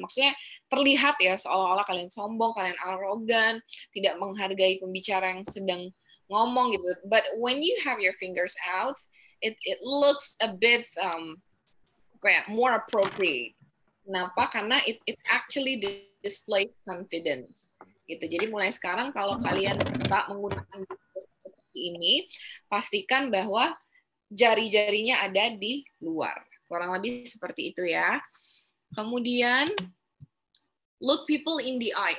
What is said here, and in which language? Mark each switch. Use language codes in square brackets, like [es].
[id] Maksudnya terlihat ya, seolah-olah kalian sombong, kalian arogan, tidak menghargai pembicara yang sedang ngomong gitu. [en] But when you have your fingers out, it looks a bit more appropriate. [id] Kenapa? Karena [en] it actually displays confidence. [id] Gitu. Jadi mulai sekarang kalau kalian tak menggunakan seperti ini, pastikan bahwa jari-jarinya ada di luar. Kurang lebih seperti itu ya. Kemudian, [en] look people in the eye.